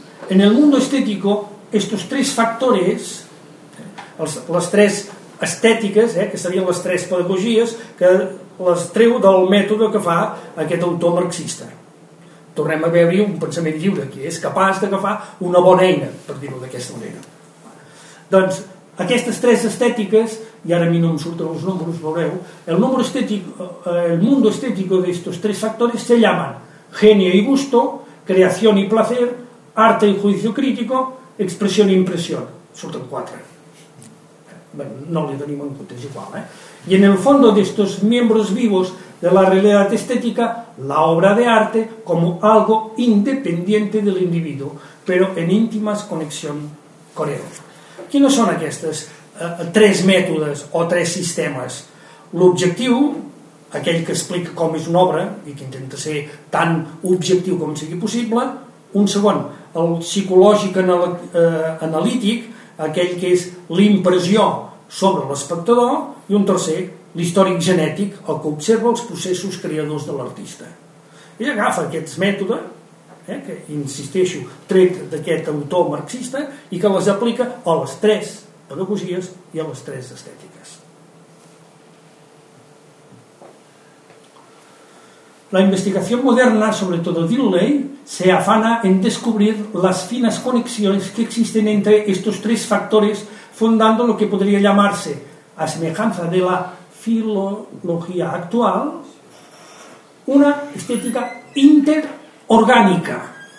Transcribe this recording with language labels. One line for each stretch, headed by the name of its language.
Spanish: En el mundo estético, estos tres factores,
Catalan: les tres estètiques, que serien les tres pedagogies, que les treu del mètode que fa aquest autor marxista. Tornem a veure un pensament lliure, que és capaç d'agafar una bona eina, per dir-ho d'aquesta manera. Doncs, aquestes tres estètiques, i ara a mi no em surten els números, veureu,
Spanish: el mundo estético de estos tres factores se llaman genio y gusto, creación y placer, arte y juicio crítico, expresión y impresión.
Catalan: Surten quatre.
Spanish: Bueno, no le tenemos en cuenta, es igual. Y en el fondo de estos miembros vivos
Catalan: de la realitat estètica l'obra d'art com algo independent de l'individu, però en íntima connexió con ell. Quines són aquestes tres mètodes o tres sistemes? L'objectiu, aquell que explica com és una obra i que intenta ser tan objectiu com sigui possible. Un segon, el psicològic analític, aquell que és l'impressió sobre l'espectador. I un tercer, l'històric genètic, el que observa els processos creadors de l'artista. Ell agafa aquest mètode, que insisteixo, tret d'aquest autor marxista, i que les aplica a les tres pedagogies i a les tres estètiques.
Spanish: La investigación moderna, sobre todo Dilley, se afana en descubrir las finas conexiones que existen entre estos tres factores, fundando lo que podría llamarse, a semejanza de la filología actual, una estética interorgánica.